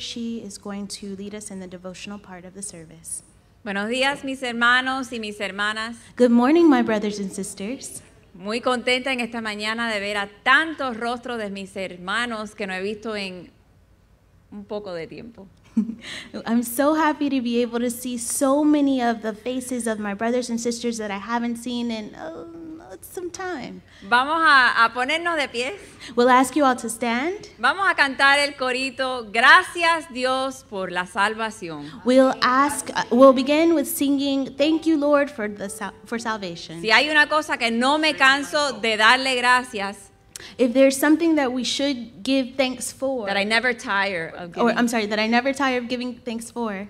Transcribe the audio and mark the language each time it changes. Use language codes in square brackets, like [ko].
[en] She is going to lead us in the devotional part of the service. [es] Buenos días, mis hermanos y mis hermanas. [en] Good morning, my brothers and sisters. [es] Muy contenta en esta mañana de ver a tantos rostros de mis hermanos que no he visto en un poco de tiempo. [en] I'm so happy to be able to see so many of the faces of my brothers and sisters that I haven't seen in some time. [es] Vamos a ponernos de pie. [en] We'll ask you all to stand. [es] Vamos a cantar el corito, Gracias Dios por la salvación. [en] We'll begin with singing, Thank you Lord for salvation. [es] Si hay una cosa que no me canso de darle gracias. [en] If there's something that we should give thanks for, that I never tire of giving, or I'm sorry, that I never tire of giving thanks for,